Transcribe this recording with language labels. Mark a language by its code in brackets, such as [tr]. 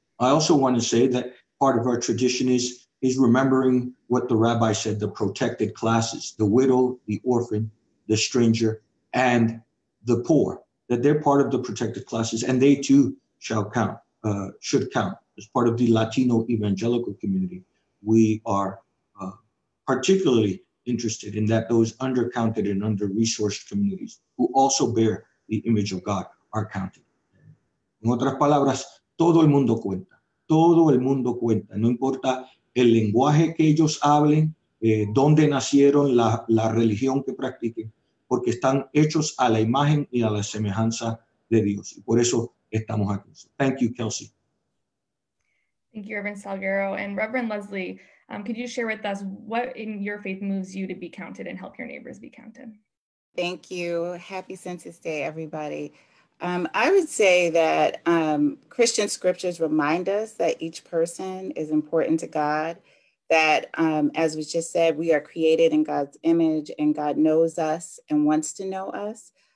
[en] I also want to say that part of our tradition is remembering what the rabbi said, the protected classes, the widow, the orphan, the stranger, and the poor, that they're part of the protected classes, and they too shall count, should count. As part of the Latino evangelical community, we are particularly interested in that those undercounted and under-resourced communities who also bear the image of God are counted. [es] En otras palabras, todo el mundo cuenta. Todo el mundo cuenta. No importa el lenguaje que ellos hablen, dónde nacieron, la religión que practiquen, porque están hechos a la imagen y a la semejanza de Dios. Y por eso estamos aquí. [en] So, thank you, [es] Kelsey. [en] Thank you, Reverend Salguero. And Reverend Leslie, could you share with us what in your faith moves you to be counted and help your neighbors be counted? Thank you. Happy Census Day, everybody. I would say that Christian scriptures remind us that each person is important to God, that as was just said, we are created in God's image and God knows us and wants to know us.